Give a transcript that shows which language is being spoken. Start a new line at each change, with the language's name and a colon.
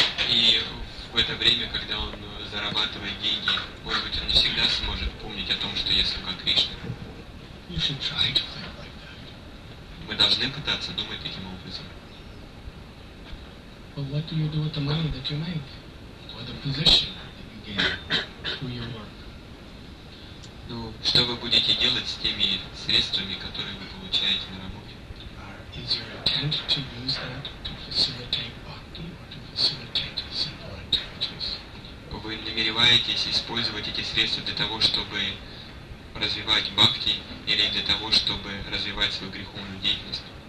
Russian: И в это время, когда он зарабатывает деньги, может быть, он не всегда сможет помнить о том, что я слуга Кришны.
English: You should try to think like that.
Russian: Мы должны пытаться думать таким образом.
English: But what do you do with the money that you make? Or the position that you gain through your work?
Russian: Ну, что вы будете делать с теми средствами, которые вы получаете на работе?
English: Is your intent to use that to facilitate bhakti or to facilitate simple activities?
Russian: Вы намереваетесь использовать эти средства для того, чтобы развивать бхакти или для того, чтобы развивать свою греховную деятельность?